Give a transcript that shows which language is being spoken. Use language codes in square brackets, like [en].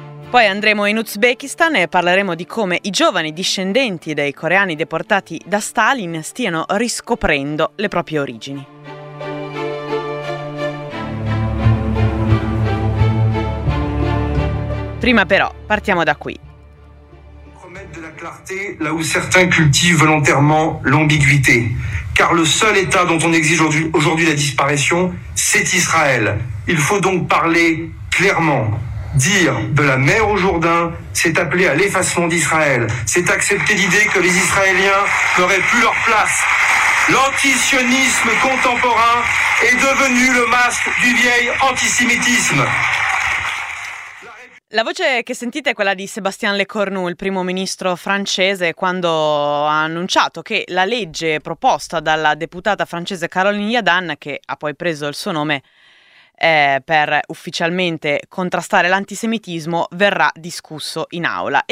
[it] Poi andremo in Uzbekistan e parleremo di come i giovani discendenti dei coreani deportati da Stalin stiano riscoprendo le proprie origini. Prima però, partiamo da qui. [fr] Promettre de la clarté là où certains cultivent volontairement l'ambiguïté, car le seul état dont on exige aujourd'hui la disparition, c'est Israël. Il faut donc parler clairement. Dire de la mer au Jourdain, c'est appeler à l'effacement d'Israël. C'est accepter l'idée que les Israéliens n'auraient plus leur place. L'antisionisme contemporain est devenu le masque du vieil antisémitisme. [it] La voce che sentite è quella di Sébastien Lecornu, il primo ministro francese, quando ha annunciato che la legge proposta dalla deputata francese Caroline Yadan, che ha poi preso il suo nome per ufficialmente contrastare l'antisemitismo, verrà discusso in aula.